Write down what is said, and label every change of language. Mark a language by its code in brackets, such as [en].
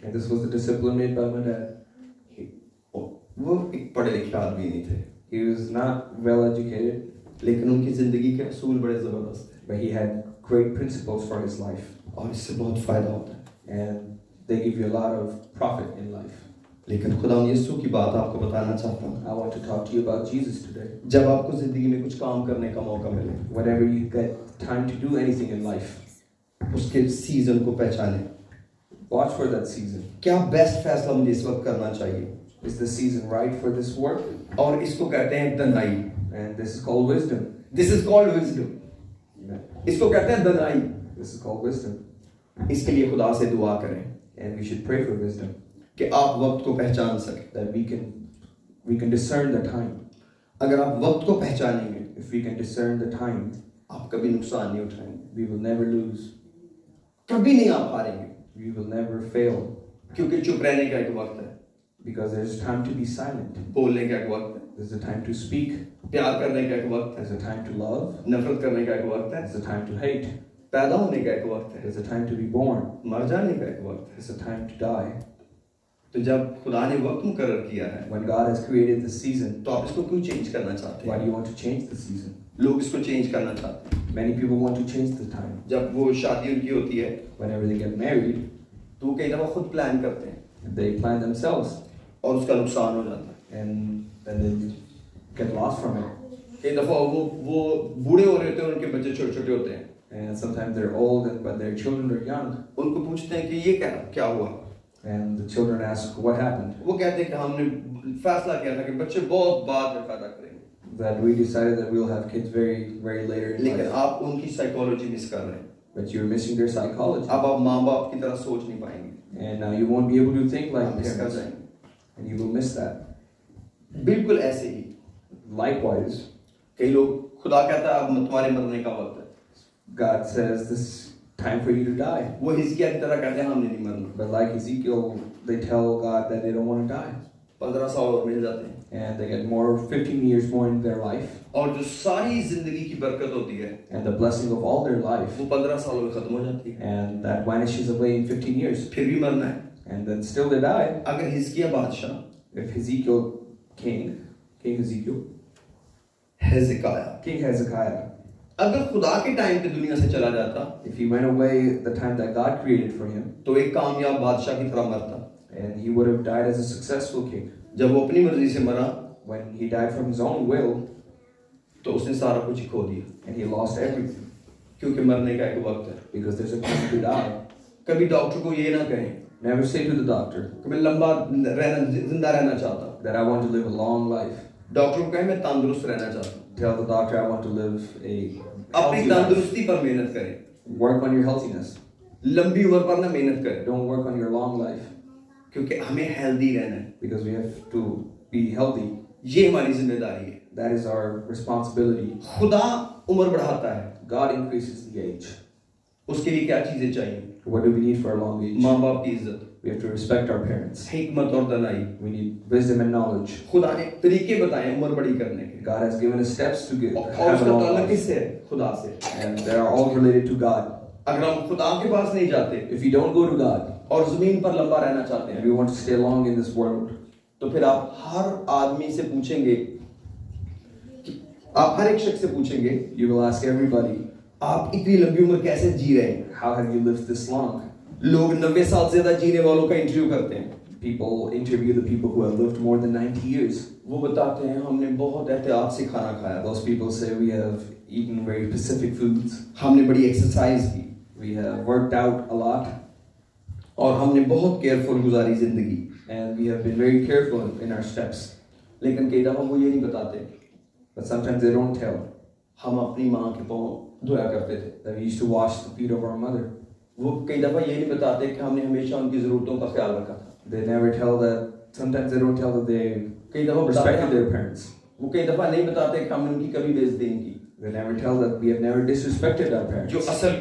[en] And this was the discipline made by my dad. [hi] वो एक पढ़े लिखे आदमी नहीं थे. [en] He was not well educated. [hi] लेकिन उनकी जिंदगी के असूल बड़े जबरदस्त थे. [en] But he had great principles for his life. [hi] और इससे बहुत फायदा होता है. [en] And they give you a lot of profit in life. [hi] लेकिन खुदा यीशु की बात आपको बताना चाहता हूँ. [en] I want to talk to you about Jesus today. [hi] जब आपको जिंदगी में कुछ काम करने का मौका मिले. [en] Whenever you get time to do anything in life. [hi] उसके सीजन को पहचाने. [en] Watch for that season. [hi] क्या बेस्ट फैसला मुझे इस वक्त करना चाहिए? [en] Is the season right for this work? [hi] और इसको कहते हैं Danai. [en] And this is called wisdom. This is called wisdom. [hi] इसको कहते हैं Danai. [en] This is called wisdom. [hi] इसके लिए खुदा से दुआ करें. [en] And we should pray for wisdom. [hi] कि आप वक्त को पहचान सकें. [en] That we can discern the time. [hi] अगर आप वक्त को पहचानेंगे, [en] if we can discern the time, [hi] आप कभी नुकसान नहीं उठाएंगे. [en] We will never lose. [hi] कभी नहीं आप हारेंगे. [en] We will never fail. [hi] क्योंकि चुप रहने का एक वक्त है. [en] Because there is time to be silent. [hi] बोलने का एक वक्त है. [en] There's a time to speak. [hi] प्यार करने का एक वक्त है. [en] There's a time to love. [hi] नफरत करने का एक वक्त है. [en] There's a time to hate. [hi] पैदा होने का एक वक्त है. [en] There's a time to be born. [hi] मर जाने का एक वक्त है. [en] There's a time to die. [hi] तो जब खुदा ने वक्त मुकर्र किया है, [en] when God has created the season, [hi] तो आप इसको क्यों चेंज करना चाहते हैं? [en] Why do you want to change the season? [hi] लोग इसको चेंज करना चाहते हैं. [en] Many people want to change the time. [hi] जब वो शादी उनकी होती है, [en] whenever they get married, [hi] तो कई दफा खुद प्लान करते हैं. [en] They plan themselves. [hi] और उसका नुकसान हो जाता है. [en] And then they get lost from it. [hi] कई दफा वो बूढ़े हो रहे होते हैं, उनके बच्चे छोटे छोटे होते हैं. [en] And sometimes they're old, but their children are young. [hi] उनको पूछते हैं कि ये क्या हुआ? [en] And the children ask, what happened? [hi] वो कहते हैं कि हमने फैसला किया था कि बच्चे बहुत बाद में पैदा करेंगे. [en] That we decided that we'll have kids very, very later in [hi] लेकिन [en] life. [hi] आप उनकी psychology miss कर रहे हैं. [en] But you're missing their psychology. [hi] अब आप माँ-बाप की तरह सोच नहीं पाएंगे. [en] And now you won't be able to think like parents. And you will miss that. [hi] बिल्कुल ऐसे ही. [en] Likewise. [hi] कई लोग खुदा कहता है अब तुम्हारे मरने का वक्त है. [en] God says this. Time for you to die. [hi] वो हिजकिया की तरह कहते हैं हमने नहीं मरना. [en] But like Ezekiel, they tell God that they don't want to die. [hi] 15 साल और मिल जाते हैं. [en] And they get more 15 years more in their life. [hi] और जो सारी जिंदगी की बरकत होती है. [en] And the blessing of all their life. [hi] वो 15 सालों में खत्म हो जाती है. [en] And that vanishes away in 15 years. [hi] फिर भी मरना है. [en] And then still they die. [hi] अगर हिजकिया बादशाह. [en] If Ezekiel, king Ezekiel. Hezekiah. King Hezekiah. [hi] अगर खुदा के टाइम पे दुनिया से चला जाता, [en] if he went away the time that God created for him, [hi] तो एक कामयाब बादशाह की तरह मरता, [en] and he would have died as a successful king. [hi] जब वो अपनी मर्जी से मरा, [en] when he died from his own will, [hi] तो उसने सारा कुछ खो दिया, [en] and he lost everything. [hi] क्योंकि मरने का एक वक्त है, [en] because there's a time to die. [hi] कभी डॉक्टर को ये ना कहें, [en] never say to the doctor, [hi] कि मैं लंबा रहना जिंदा रहना चाहता, [en] that I want to live a long life. [hi] Doctor को कहें मैं तंदुरुस्त रहना चाहता. [en] Tell the doctor I want to live a [hi] अपनी तंदुरुस्ती पर मेहनत करें. [en] Work on your healthiness. [hi] लंबी उम्र पर ना मेहनत करें. [en] Don't work on your long life. [hi] क्योंकि हमें हेल्दी रहना है. [en] Because we have to be healthy. [hi] ये हमारी जिम्मेदारी है. [en] That is our responsibility. [hi] खुदा उम्र बढ़ाता है. [en] God increases the age. [hi] उसके लिए क्या चीजें चाहिए? [en] What do we need for a long age? [hi] माँ-बाप की इज्जत. [en] We have to respect our parents. [hi] हिकमत और Danai. [en] We need wisdom and knowledge. [hi] खुदा ने तरीके बताए उम्र बड़ी करने के. [en] God has given us steps to give. [hi] और उसका ताल्लुक किससे? खुदा से. [en] And they are all related to God. [hi] अगर हम खुदा के पास नहीं जाते, [en] if we don't go to God, [hi] और ज़मीन पर लंबा रहना चाहते हैं, [en] we want to stay long in this world, [hi] तो फिर आप हर आदमी से पूछेंगे, आप हर एक शख्स से पूछेंगे, [en] you will ask everybody, [hi] आप इतनी लंबी उम्र कैसे जी रहे हैं? [en] How have you lived this long? [hi] लोग 90 साल से ज्यादा जीने वालों का इंटरव्यू करते हैं. [en] People interview the people who have lived more than 90 years. [hi] वो बताते हैं हमने बहुत एहतियात से खाना खाया. [en] Those people say we have eaten very specific foods. [hi] हमने बड़ी एक्सरसाइज की. [en] We have worked out a lot. [hi] और हमने बहुत केयरफुल गुजारी जिंदगी. [en] And we have been very careful in our steps. [hi] लेकिन कई दफा वो ये नहीं बताते. [en] But sometimes they don't tell. [hi] हम अपनी माँ के पांव धोया करते थे. [en] That we used to wash the feet of our mother. [hi] वो कई दफा ये नहीं बताते कि हमने हमेशा उनकी जरूरतों का ख्याल रखा था. [en] They never tell that. Sometimes they don't tell that they [hi] कई दफा [en] respected their parents. [hi] वो कई दफा नहीं बताते कि हम उनकी कभी बेइज्जती नहीं की. [en] They never tell that we have never disrespected our parents.